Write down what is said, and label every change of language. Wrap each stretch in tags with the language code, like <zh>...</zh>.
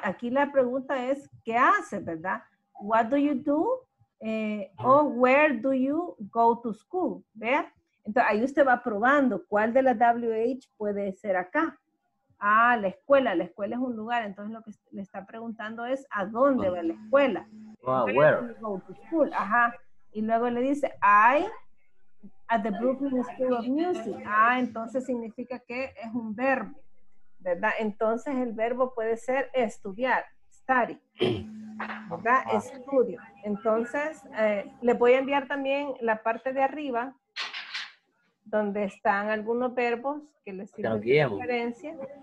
<es>Aquí la pregunta es, ¿qué haces, verdad?</es> <en>What do you do? Or where do you go to school?</en> <es>¿Vea? Entonces, ahí usted va probando cuál de las WH puede ser acá. Ah, la escuela. La escuela es un lugar. Entonces, lo que le está preguntando es, ¿a dónde va la escuela?</es> <en>Wow, where? Ajá.</en> <es>Y luego le dice,</es> <en>at the Brooklyn School of Music.</en> <es>Ah, entonces significa que es un verbo, ¿verdad? Entonces el verbo puede ser estudiar, study, ¿verdad? Estudio. Entonces, le voy a enviar también la parte de arriba, donde están algunos verbos que les sirven de referencia.</es>